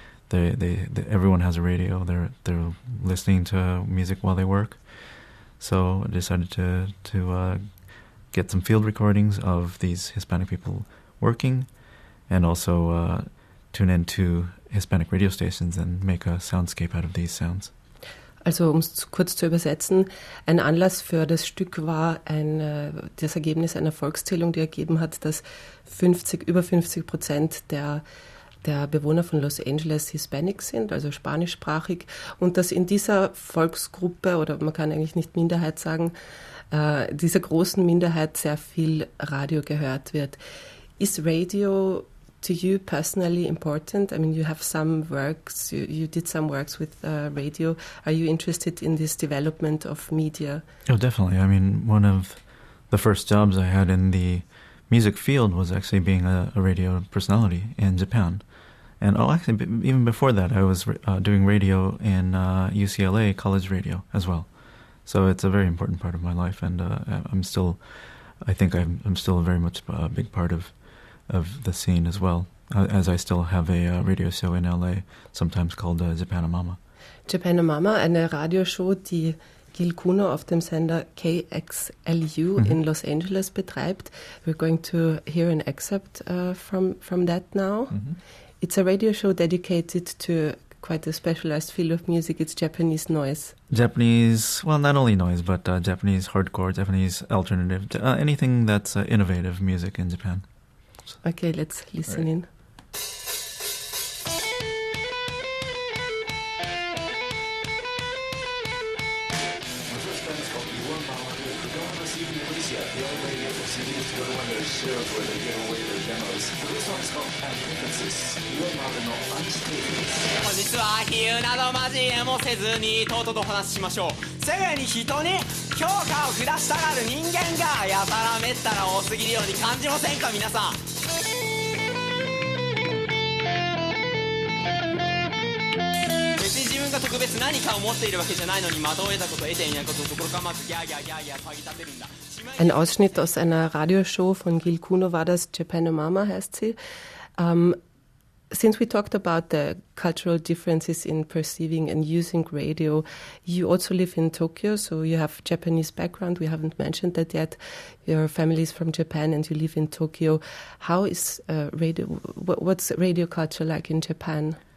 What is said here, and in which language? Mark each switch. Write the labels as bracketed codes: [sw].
[en] They everyone has a radio. They're listening to music while they work. So I decided to get some field recordings of these Hispanic people working, and also tune in to Hispanic radio stations and make a soundscape out of these sounds. [de] Also um es kurz zu übersetzen, ein Anlass für das Stück war das Ergebnis einer Volkszählung, die ergeben hat, dass über 50% der Bewohner von Los Angeles Hispanic sind, also spanischsprachig, und dass in dieser Volksgruppe, oder man kann eigentlich nicht Minderheit sagen, dieser großen Minderheit sehr viel Radio gehört wird. [en] Ist Radio to you personally important? I mean, you have some works, you did some works with radio. Are you interested in this development of media? Oh, definitely. I mean, one of the first jobs I had in the music field was actually being a radio personality in Japan. And even before that, I was doing radio in UCLA college radio as well. So it's a very important part of my life, and I'm still very much a big part of the scene as well, as I still have a radio show in LA, sometimes called Japanomama. [de] Japanomama, eine Radioshow, die Gil Kuno auf dem Sender KXLU in Los Angeles betreibt. [en] We're going to hear an excerpt from that now. Mm-hmm. It's a radio show dedicated to quite a specialized field of music. It's Japanese noise. Japanese, well, not only noise, but Japanese hardcore, Japanese alternative, anything that's innovative music in Japan. Okay, let's listen in. [ja] 本日は比喩など交えもせずにとうとうと話しましょう。すぐに人に評価を下したがる人間がやたらめったら多すぎるように感じませんか皆さん。特別何かを持っているわけじゃないのに惑えたこと得ていないことどころかまずギャーギャーギャーギャー騒ぎ立てるんだ。 [de] Ein Ausschnitt aus einer Radioshow von Gil Kuno war das, Japanomama heißt sie. [en] Since we talked about the cultural differences in perceiving and using radio, you also live in Tokyo, so you have Japanese background. We haven't mentioned that yet. Your family is from Japan and you live in Tokyo. How is radio, what's radio culture like in Japan?